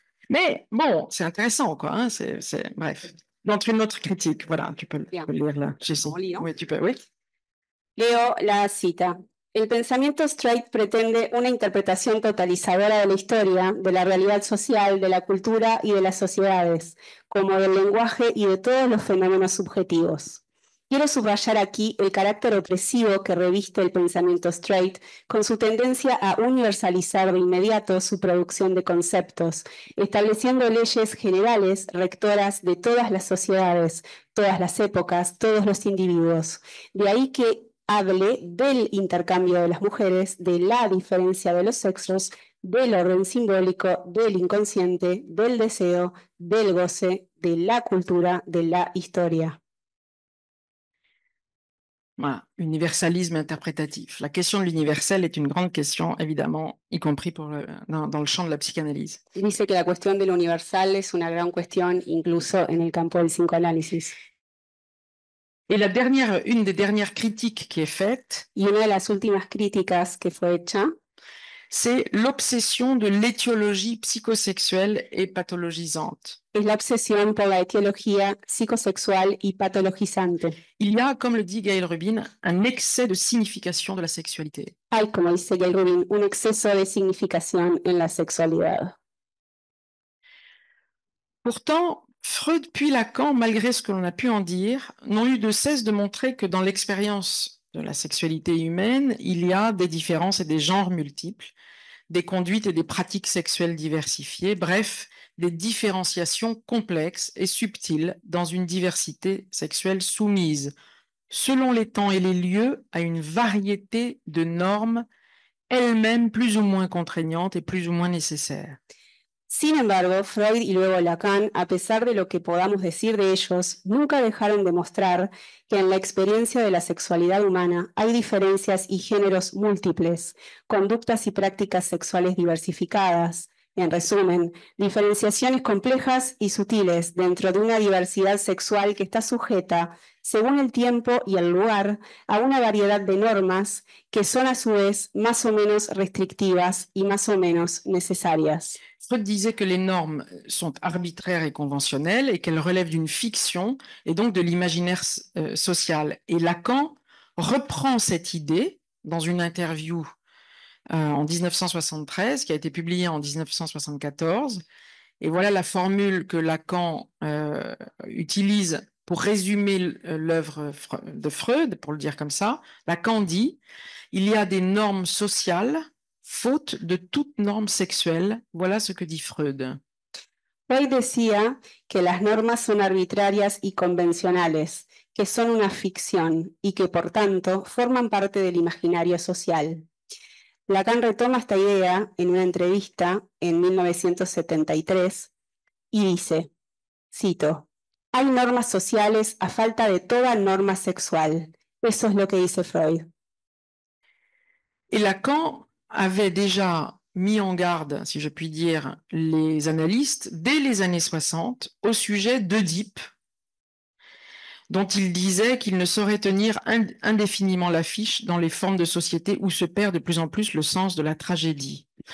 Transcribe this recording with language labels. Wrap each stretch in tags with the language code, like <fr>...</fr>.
<fr>Mais bon, c'est intéressant, quoi. Hein. C'est... Bref. Donc, une autre critique. Voilà, tu peux le lire là. Je sais. Oui, tu peux, oui.</fr> <es>Leo la cita. El pensamiento straight pretende una interpretación totalizadora de la historia, de la realidad social, de la cultura y de las sociedades, como del lenguaje y de todos los fenómenos subjetivos. Quiero subrayar aquí el carácter opresivo que reviste el pensamiento straight con su tendencia a universalizar de inmediato su producción de conceptos, estableciendo leyes generales rectoras de todas las sociedades, todas las épocas, todos los individuos. De ahí que hable del intercambio de las mujeres, de la diferencia de los sexos, del orden simbólico, del inconsciente, del deseo, del goce, de la cultura, de la historia.</es> <fr>Voilà, universalisme interprétatif. La question de l'universel est une grande question, évidemment, y compris pour le, dans le champ de la psychanalyse. Il dit que la question de l'universal est une grande question,</fr> <es>incluso en el campo del psicoanálisis.</es> <fr>Et la dernière, une des dernières critiques qui est faite,</fr> <es>y una de las últimas críticas que fue hecha,</es> <fr>c'est l'obsession de l'étiologie psychosexuelle et pathologisante.</fr> <es>Es la obsesión por la etiología psicosexual y patologizante.</es> <fr>Il y a, comme le dit Gail Rubin, un excès de signification de la sexualité.</fr> <es>Hay, como dice Gail Rubin, un exceso de significación en la sexualidad.</es> <fr>Pourtant, Freud puis Lacan, malgré ce que l'on a pu en dire, n'ont eu de cesse de montrer que dans l'expérience de la sexualité humaine, il y a des différences et des genres multiples, des conduites et des pratiques sexuelles diversifiées, bref, des différenciations complexes et subtiles dans une diversité sexuelle soumise, selon les temps et les lieux, à une variété de normes, elles-mêmes plus ou moins contraignantes et plus ou moins nécessaires.</fr> <es>Sin embargo, Freud y luego Lacan, a pesar de lo que podamos decir de ellos, nunca dejaron de mostrar que en la experiencia de la sexualidad humana hay diferencias y géneros múltiples, conductas y prácticas sexuales diversificadas. En resumen, diferenciaciones complejas y sutiles dentro de una diversidad sexual que está sujeta, según el tiempo y el lugar, a una variedad de normas que son a su vez más o menos restrictivas y más o menos necesarias.</es> <fr>Freud disait que les normes sont arbitraires et conventionnelles et qu'elles relèvent d'une fiction et donc de l'imaginaire social. Et Lacan reprend cette idée dans une interview en 1973, qui a été publiée en 1974. Et voilà la formule que Lacan utilise pour résumer l'œuvre de Freud, pour le dire comme ça. Lacan dit « Il y a des normes sociales » faute de toute norme sexuelle, voilà ce que dit Freud.</fr> <es>Freud decía que las normas son arbitrarias y convencionales, que son una ficción y que por tanto forman parte del imaginario social. Lacan retoma esta idea en una entrevista en 1973 y dice, cito, hay normas sociales a falta de toda norma sexual. Eso es lo que dice Freud.</es> <fr>Y Lacan avait déjà mis en garde, si je puis dire, les analystes dès les années 60 au sujet d'Œdipe, dont il disait qu'il ne saurait tenir indéfiniment l'affiche dans les formes de société où se perd de plus en plus le sens de la tragédie.</fr>